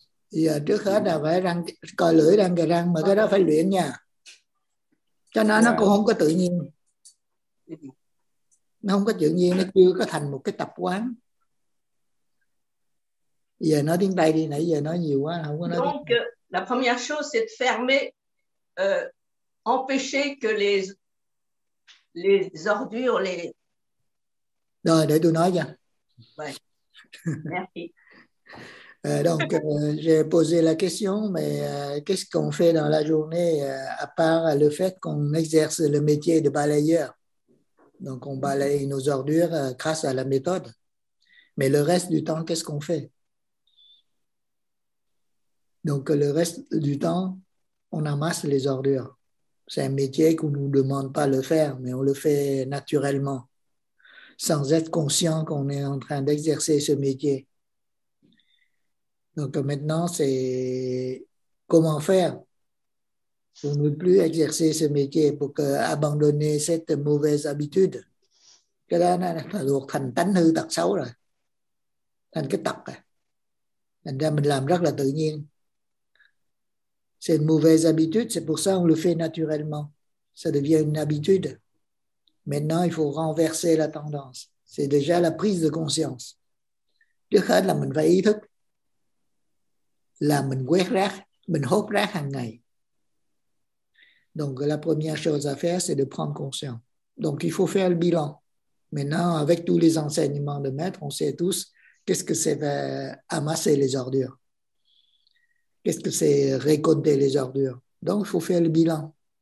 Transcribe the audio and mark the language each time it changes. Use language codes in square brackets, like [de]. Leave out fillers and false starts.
[vi] Giờ trước hết là phải răng coi lưỡi đang cửa răng, mà cái đó phải luyện nha. Cho nên nó cũng không có tự nhiên. Nó không có tự nhiên, nó chưa có thành một cái tập quán. Giờ nói tiếng Tây đi, nãy giờ nói nhiều quá, không có nói. [fr] Donc, la première chose c'est de fermer, empêcher que les ordures, les... [vi] Rồi, để tôi nói cho. [fr] Donc, j'ai posé la question, mais qu'est-ce qu'on fait dans la journée à part le fait qu'on exerce le métier de balayeur? Donc, on balaye nos ordures grâce à la méthode. Mais le reste du temps, qu'est-ce qu'on fait? Donc, le reste du temps, on amasse les ordures. C'est un métier qu'on ne nous demande pas de le faire, mais on le fait naturellement. Sans être conscient qu'on est en train d'exercer ce métier. Donc maintenant, c'est comment faire pour ne plus exercer ce métier, pour abandonner cette mauvaise habitude. [vi] Cái đó nó thuộc thành tánh hư tật xấu rồi, thành cái tật rồi. Thành ra mình làm rất là tự nhiên. [fr] C'est une mauvaise habitude, c'est pour ça qu'on le fait naturellement. Ça devient une habitude. Maintenant, il faut renverser la tendance. C'est déjà la prise de conscience. [vi] Trước hết là mình phải ý thức là mình quét rác, mình hốt rác hàng ngày. [fr] Donc, la première chose à faire, c'est de prendre conscience. Donc, il faut faire le bilan. Maintenant, avec tous les enseignements de maître, on sait tous qu'est-ce que c'est amasser les ordures. Qu'est-ce que c'est récolter les ordures. Donc, il faut faire le bilan.